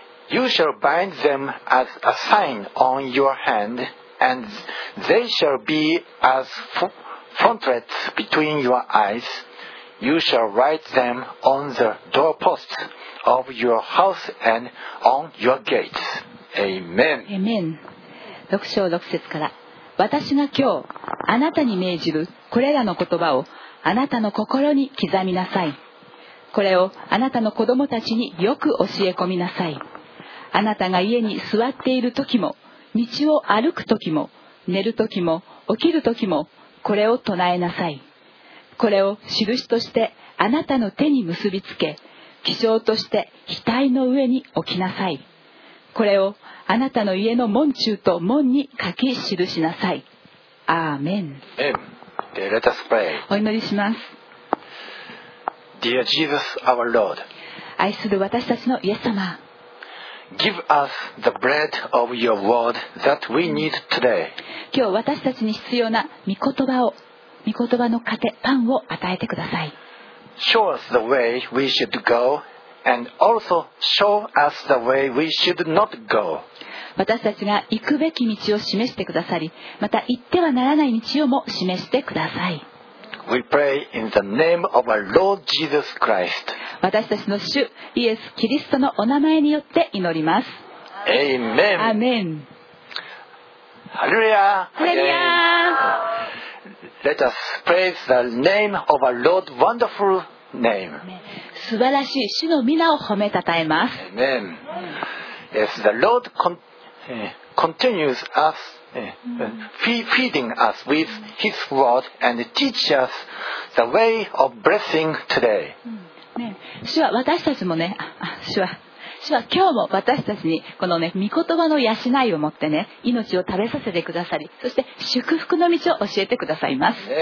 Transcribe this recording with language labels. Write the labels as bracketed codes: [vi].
[en] You shall bind them as a sign on your hand. And they shall be as frontlets between your eyes. You shall write them on the doorposts of your house and on your gates. Amen. Amen. [ja] 6章6節から私が今日あなたに命じるこれらの言葉をあなたの心に刻みなさい。これをあなたの子供たちによく教え込みなさい。あなたが家に座っている時も道を歩くときも、寝るときも、起きるときも、これを唱えなさい。これを印としてあなたの手に結びつけ、記章として額の上に置きなさい。これをあなたの家の門中と門に書き記しなさい。アーメン。 [en] Let us pray. [ja] お祈りします。 [en] Dear Jesus, our Lord. [ja] 愛する私たちのイエス様。 [en] Give us the bread of your word that we need today. [ja] 今日私たちに必要な御言葉を、御言葉の糧、パンを与えてください。 [en] Show us the way we should go, and also show us the way we should not go. [ja] 私たちが行くべき道を示してくださり、また行ってはならない道をも示してください。 [en] We pray in the name of our Lord Jesus Christ. [ja] 私たちの主イエス・キリストのお名前によって祈ります。 [en] Amen. Amen. Hallelujah. Hallelujah. Let us praise the name of our Lord. Wonderful name. [ja] 素晴らしい主の皆を褒めたたえます。 [en] Amen. Yes, the Lord continues us. Feeding us with His word and teach us the way of blessing today. [ja] 主は私たちもね、主は今日も私たちにこのね御言葉の養いを持ってね命を食べさせてくださり、そして祝福の道を教えてくださいます。